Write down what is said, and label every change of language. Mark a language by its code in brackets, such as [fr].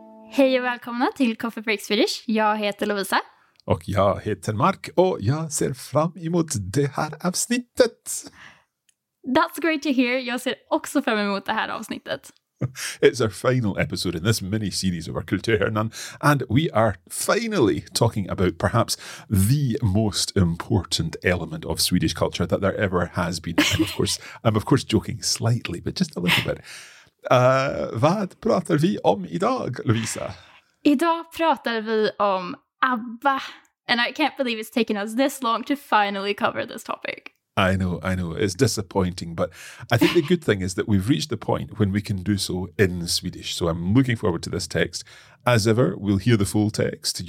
[sv] Hej och välkomna till Coffee Break Swedish. Jag heter Lovisa. Och jag heter Mark och jag ser fram emot det här avsnittet. [en] That's great to hear. [sv] Jag ser också fram emot det här avsnittet. [en] It's our final episode in this mini-series of our Kulturhörnan, and we are finally talking about perhaps the most important element of Swedish culture that there ever has been. I'm of course joking slightly, but just a little bit. [sv] Vad pratar vi om idag, Lovisa? [en] Idag pratar vi om ABBA, and I can't believe it's taken us this long to finally cover this topic. I know. It's disappointing, but I think the good thing is that we've reached the point when we can do so in Swedish. So I'm looking forward to this text. As ever, we'll hear the full text.